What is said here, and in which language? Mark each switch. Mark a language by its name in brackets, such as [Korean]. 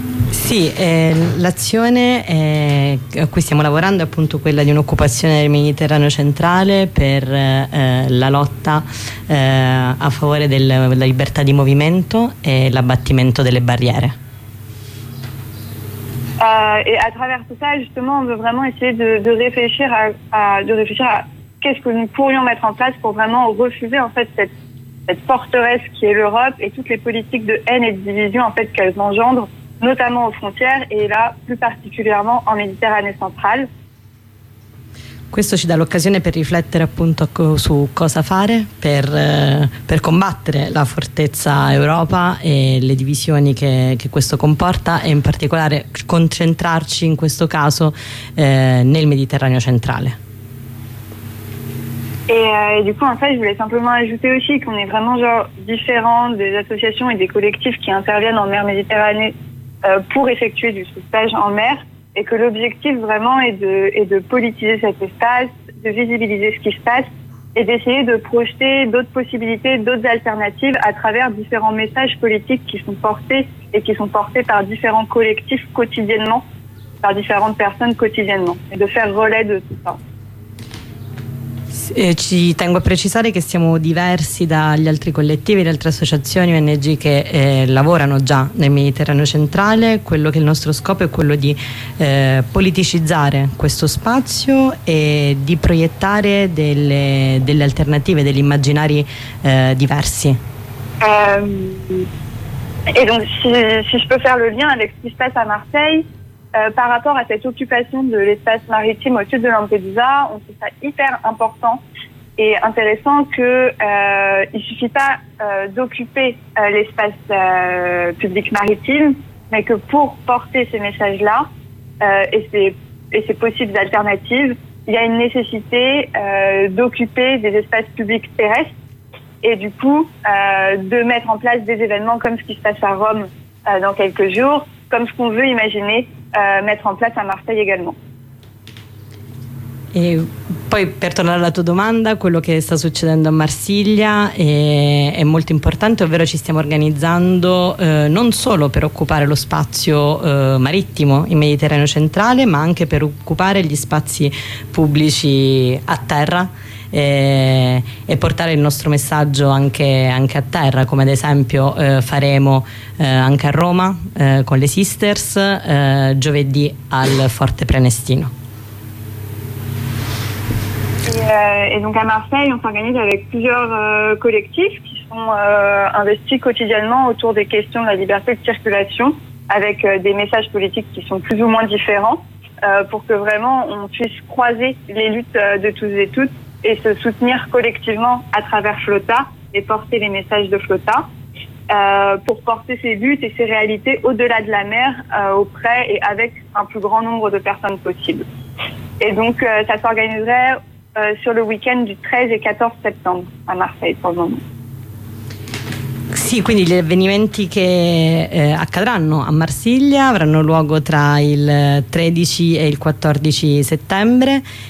[Italian] Sì, l'azione a cui stiamo lavorando è appunto quella di un'occupazione del Mediterraneo centrale per la lotta a favore della libertà di movimento e l'abbattimento delle barriere. [French] E attraverso ça, justement, on veut vraiment essayer de réfléchir à qu'est-ce que nous pourrions mettre en place pour vraiment refuser en fait cette forteresse qui est l'Europe et toutes les politiques de haine et de division en fait qu'elles engendrent. Notamment aux frontières et là plus particulièrement en Méditerranée centrale. [Italian] Questo ci dà l'occasione per riflettere appunto su cosa fare per combattere la fortezza Europa e le divisioni che questo comporta e in particolare concentrarci in questo caso nel Mediterraneo centrale. [French] Et du coup, en fait, je voulais simplement ajouter aussi qu'on est vraiment genre différent des associations et des collectifs qui interviennent en mer Méditerranée pour effectuer du sauvetage en mer et que l'objectif vraiment est de politiser cet espace, de visibiliser ce qui se passe et d'essayer de projeter d'autres possibilités, d'autres alternatives à travers différents messages politiques qui sont portés et qui sont portés par différents collectifs quotidiennement, par différentes personnes quotidiennement et de faire relais de tout ça. [Italian] Ci tengo a precisare che siamo diversi dagli altri collettivi, le altre associazioni ONG che lavorano già nel Mediterraneo centrale. Quello che il nostro scopo è quello di politicizzare questo spazio e di proiettare delle alternative, degli immaginari diversi. [French] Et donc si je peux faire le lien avec ce qui se passe à Marseille par rapport à cette occupation de l'espace maritime au sud de Lampedusa, on trouve ça hyper important et intéressant qu'il ne suffit pas d'occuper l'espace public maritime, mais que pour porter ces messages-là, et ces possibles alternatives, il y a une nécessité d'occuper des espaces publics terrestres et du coup de mettre en place des événements comme ce qui se passe à Rome dans quelques jours, comme ce qu'on veut imaginer mettre en place à Marseille également. [Italian] Et poi per tornare alla tua domanda, quello che sta succedendo a Marsiglia è molto importante, ovvero ci stiamo organizzando non solo per occupare lo spazio marittimo in Mediterraneo centrale, ma anche per occupare gli spazi pubblici a terra e portare il nostro messaggio anche a terra, come ad esempio faremo anche a Roma con le Sisters giovedì al Forte Prenestino. [French] Et donc à Marseille, on s'organise avec plusieurs collectifs qui sont investis quotidiennement autour des questions de la liberté de circulation, avec des messages politiques qui sont plus ou moins différents, pour que vraiment on puisse croiser les luttes de tous et toutes et se soutenir collectivement à travers Flota et porter les messages de Flota, pour porter ces luttes et ces réalités au-delà de la mer, auprès et avec un plus grand nombre de personnes possible. Et donc ça s'organiserait sur le week-end du 13 et 14 septembre à Marseille pour le moment. [Italian] Sì, quindi gli avvenimenti che accadranno a Marsiglia avranno luogo tra il 13 e il 14 settembre.